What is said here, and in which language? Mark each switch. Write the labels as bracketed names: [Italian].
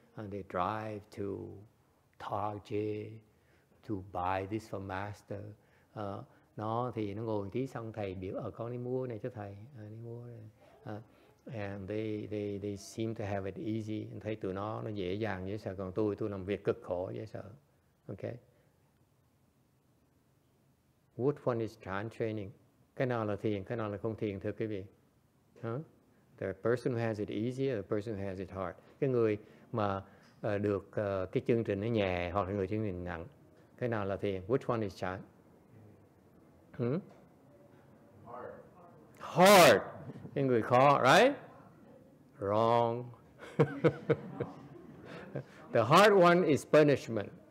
[English] And they drive to Taiji to buy this for master. [Vietnamese] Nó thì nó ngồi tí xong thầy biểu ở con đi mua này cho thầy, đi mua này. [English] And they seem to have it easy, and [Vietnamese] thấy tụi nó dễ dàng dễ sợ, còn tôi làm việc cực khổ dễ sợ, okay? [English] What one is chan training? [Vietnamese] Cái nào là thiền, cái nào là không thiền, thưa quý vị? [English] The person who has it easy or the person who has it hard? [Vietnamese] Cái người mà được cái chương trình nó nhẹ hoặc là người chương trình nặng. Cái nào là thiền? [English] Which one is chan? Hard. [Vietnamese] Cái người khó, [English] right? Wrong. The hard one is punishment.